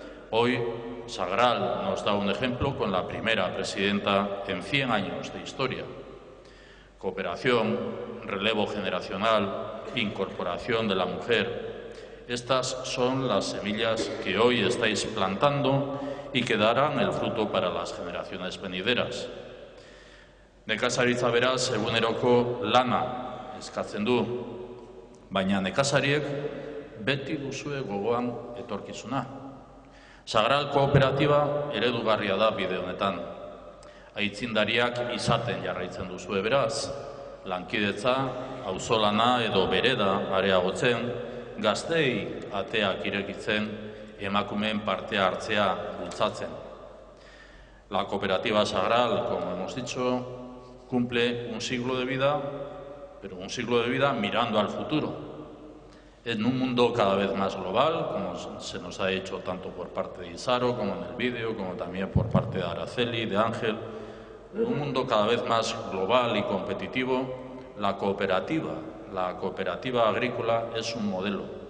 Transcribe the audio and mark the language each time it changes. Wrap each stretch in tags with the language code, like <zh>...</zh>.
<es>Hoy Sagral nos da un ejemplo con la primera presidenta en 100 años de historia. Cooperación, relevo generacional, incorporación de la mujer. Estas son las semillas que hoy estáis plantando y que darán el fruto para las generaciones venideras.</es> <eu>Nekazaritza beraz eguneroko lana eskatzen du, baina nekazariek beti duzue gogoan etorkizuna. Sagral kooperatiba eredugarria da bide honetan. Aitzindariak izaten jarraitzen duzue beraz, lankidetza, auzolana edo bereda areagotzen, gazteei ateak irekitzen, emakumeen parte hartzea bultzatzen.</eu> <es>La cooperativa Sagral, como hemos dicho, cumple un siglo de vida, pero un siglo de vida mirando al futuro. En un mundo cada vez más global, como se nos ha dicho tanto por parte de Isaro, como en el vídeo, como también por parte de Araceli, de Ángel, en un mundo cada vez más global y competitivo, la cooperativa agrícola es un modelo.</es>